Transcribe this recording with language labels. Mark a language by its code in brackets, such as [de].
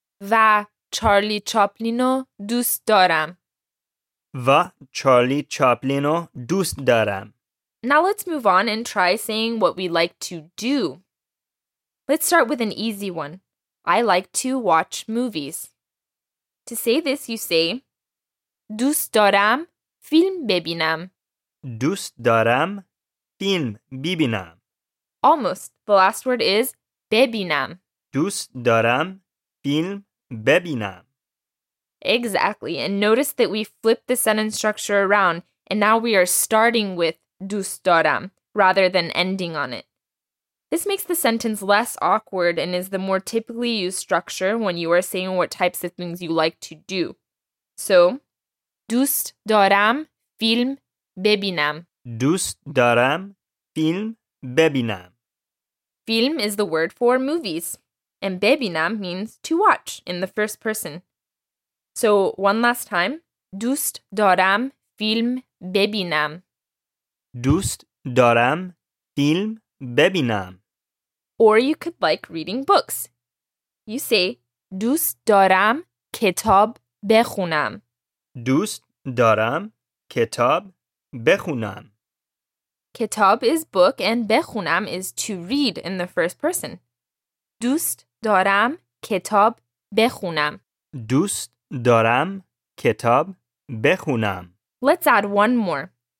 [fa] و چارلی چاپلینو دوست دارم. و چارلی چاپلینو دوست دارم. [en] Now let's move on and try saying what we like to do. Let's start with an easy one. I like to watch movies. To say this, you say [fa] دوست دارم فیلم ببینم. دوست دارم فیلم ببینم. [en] Almost. The last word is ببینم. [fa] دوست دارم فیلم ببینم. [en] Exactly. And notice that we flipped the sentence structure around and now we are starting with [fa] دوست دارم [en] rather than ending on it. This makes the sentence less awkward and is the more typically used structure when you are saying what types of things you like to do. [fa] So, دوست دارم فیلم ببینم. دوست دارم فیلم ببینم. [en] فیلم is the word for movies, and ببینم means to watch in the first person. So, one last time, [fa] دوست دارم فیلم ببینم. دوست دارم فیلم ببینم. [en] Or you could like reading books. You say, [fa] دوست دارم کتاب بخونم. دوست دارم کتاب بخونم. [en] کتاب is book and بخونم is to read in the first person. [fa] دوست دارم کتاب بخونم. دوست دارم کتاب بخونم. [en] Let's add one more.